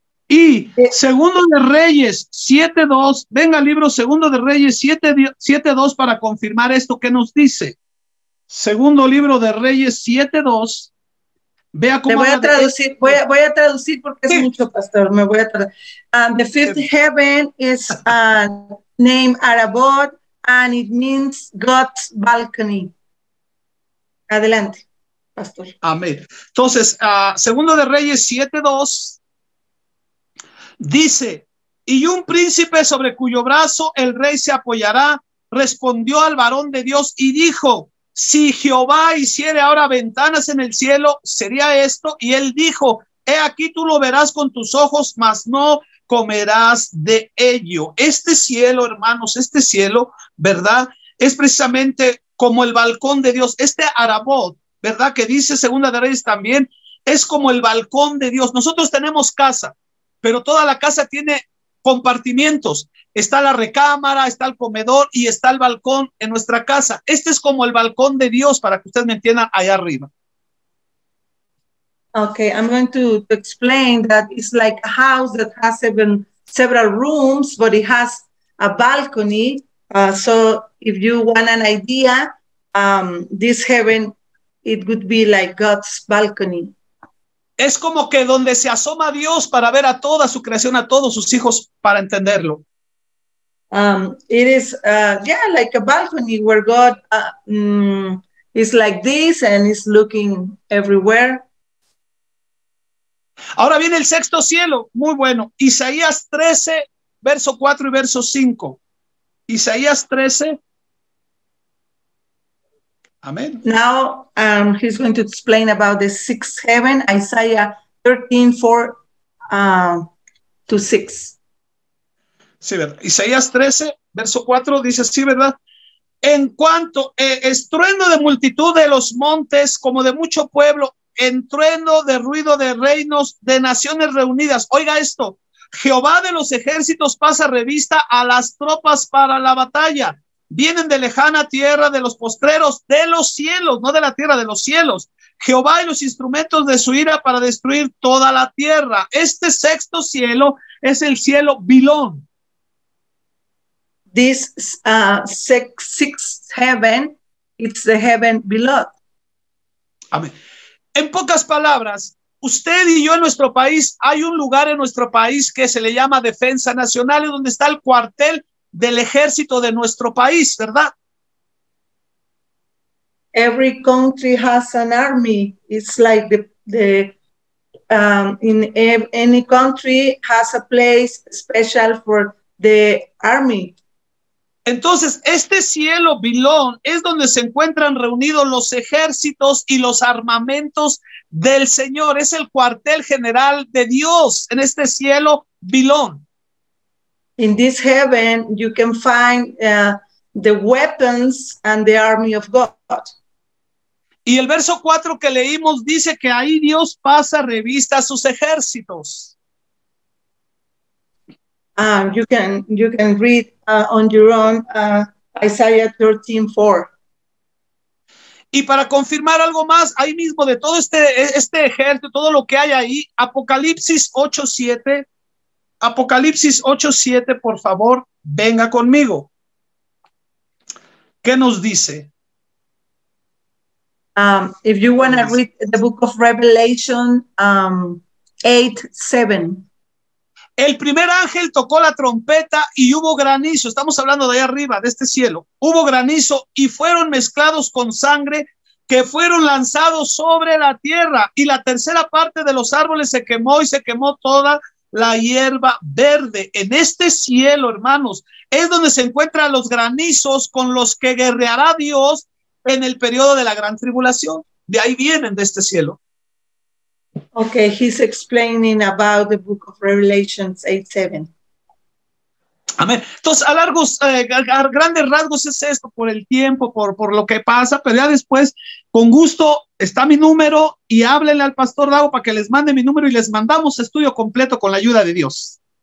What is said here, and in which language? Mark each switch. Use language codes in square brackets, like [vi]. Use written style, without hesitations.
[es] Y segundo de Reyes 7:2, venga libro segundo de Reyes 7:2 para confirmar esto que nos dice. Segundo libro de Reyes 7:2. Vea cómo te voy a traducir. Voy a traducir porque sí. Es mucho, pastor. Me voy a traducir. [en] The fifth heaven is named Arabot and it means God's balcony. [es] Adelante, pastor. Amén. Entonces, segundo de Reyes 7:2. Dice, y un príncipe sobre cuyo brazo el rey se apoyará, respondió al varón de Dios y dijo, si Jehová hiciere ahora ventanas en el cielo, sería esto. Y él dijo, he aquí tú lo verás con tus ojos, mas no comerás de ello. Este cielo, hermanos, este cielo, ¿verdad? Es precisamente como el balcón de Dios, este Arabot, ¿verdad? Que dice Segunda de Reyes también, es como el balcón de Dios. Nosotros tenemos casa. Pero toda la casa tiene compartimientos. Está la recámara, está el comedor y está el balcón en nuestra casa. Este es como el balcón de Dios, para que ustedes me entiendan, allá arriba. [en] Okay, I'm going to explain that it's like a house that has several rooms, but it has a balcony. So if you want an idea, this heaven, it would be like God's balcony. [es] Es como que donde se asoma Dios para ver a toda su creación, a todos sus hijos, para entenderlo. [en] It is, yeah, like a balcony where God is like this and is looking everywhere. [es] Ahora viene el sexto cielo, muy bueno. Isaías 13, verso 4 y verso 5. Isaías 13. Amen. [en] Now he's going to explain about the sixth heaven, Isaiah 13:4-6. [es] Sí, ¿verdad? Isaías 13, verso 4, dice así, ¿verdad? En cuanto estruendo de multitud de los montes, como de mucho pueblo, entruendo de ruido de reinos, de naciones reunidas. Oiga esto, Jehová de los ejércitos pasa revista a las tropas para la batalla. Vienen de lejana tierra, de los postreros, de los cielos, no de la tierra, de los cielos. Jehová y los instrumentos de su ira para destruir toda la tierra. Este sexto cielo es el cielo Bilón. [en] This sixth heaven, it's the heaven Bilón. Amén. [es] En pocas palabras, usted y yo en nuestro país, hay un lugar en nuestro país que se le llama Defensa Nacional, y donde está el cuartel del ejército de nuestro país, ¿verdad? [en] Every country has an army. It's like any country has a place special for the army. [es] Entonces, este cielo Bilón es donde se encuentran reunidos los ejércitos y los armamentos del Señor. Es el cuartel general de Dios en este cielo Bilón. [en] In this heaven, you can find the weapons and the army of God. [es] Y el verso 4 que leímos dice que ahí Dios pasa revista a sus ejércitos. [en] You can read on your own Isaiah 13:4. [es] Y para confirmar algo más, ahí mismo de todo este ejército, todo lo que hay ahí, Apocalipsis 8:7. Apocalipsis 8:7, por favor, venga conmigo. ¿Qué nos dice? [en] If you want to read the book of Revelation 8:7. [es] El primer ángel tocó la trompeta y hubo granizo. Estamos hablando de ahí arriba, de este cielo. Hubo granizo y fueron mezclados con sangre que fueron lanzados sobre la tierra. Y la tercera parte de los árboles se quemó y se quemó toda la hierba verde. En este cielo, hermanos, es donde se encuentran los granizos con los que guerreará Dios en el periodo de la gran tribulación. De ahí vienen, de este cielo. [en] Okay, he's explaining about the book of Revelation 8:7. Amén. [es] Entonces, a largos, a grandes rasgos es esto, por el tiempo, por lo que pasa, pero ya después, con gusto, está mi número y háblenle al pastor Dago para que les mande mi número y les mandamos estudio completo con la ayuda de Dios.